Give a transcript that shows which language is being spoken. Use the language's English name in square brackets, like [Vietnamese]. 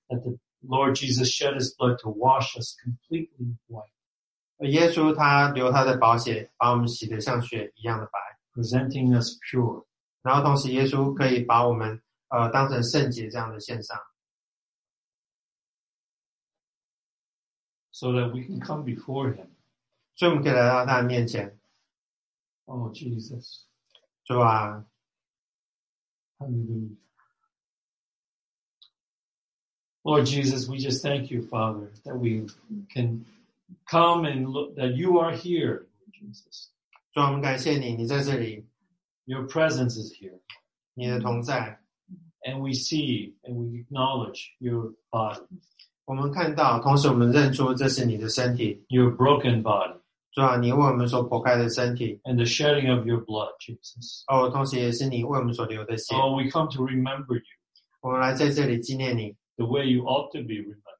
[English] That the Lord Jesus shed His blood to wash us completely white。 [Chinese] 耶稣他流他的宝血，把我们洗得像雪一样的白 [English] ，presenting us pure。 [Chinese] 然后同时，耶稣可以把我们当成圣洁这样的献上。 [English] So that we can come before Him. [Chinese] 所以我们可以来到他的面前。 [English] Oh, Jesus. [Chinese] 主啊。 [English] Hallelujah. Lord Jesus, we just thank you, Father, that we can come and look, that you are here, Lord Jesus. [Chinese] 主啊，我们感谢你，你在这里。 [English] Your presence is here. [Chinese] 你的同在。 [English] And we see and we acknowledge your body. [Chinese] 我们看到，同时我们认出这是你的身体。 [English] Your broken body， [Chinese] 主啊，你为我们所破开的身体。 [English] And the shedding of your blood, Jesus。 [Chinese] 哦，同时也是你为我们所流的血。 [English] Oh, we come to remember you。 [Chinese] 我们来在这里纪念你。 [English] The way you ought to be remembered。